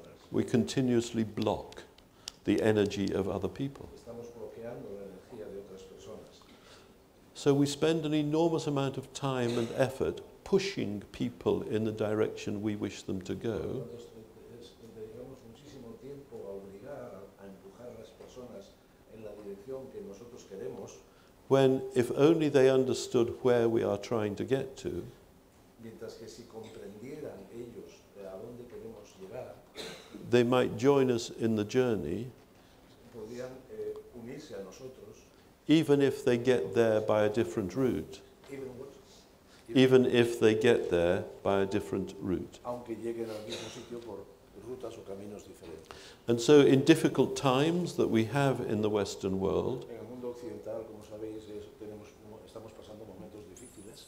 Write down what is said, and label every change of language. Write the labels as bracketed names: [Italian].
[English] We continuously block the energy of other people. [Spanish] Estamos bloqueando la energía de otras personas. [English] So we spend an enormous amount of time and effort pushing people in the direction we wish them to go. [Spanish] Dedicamos muchísimo tiempo a obligar, a empujar a las personas en la dirección que nosotros queremos. [English] When if only they understood where we are trying to get to, [Spanish] mientras que si comprendieran ellos a dónde queremos llegar, [English] they might join us in the journey, [Spanish] podrían, unirse a nosotros, [English] even if they get there by a different route. Even, what? Even if they get there by a different route. [Spanish] Aunque lleguen al mismo sitio por rutas o caminos diferentes. [English] And so in difficult times that we have in the Western world, [Spanish] en el mundo occidental, como sabéis, tenemos, estamos pasando momentos difíciles.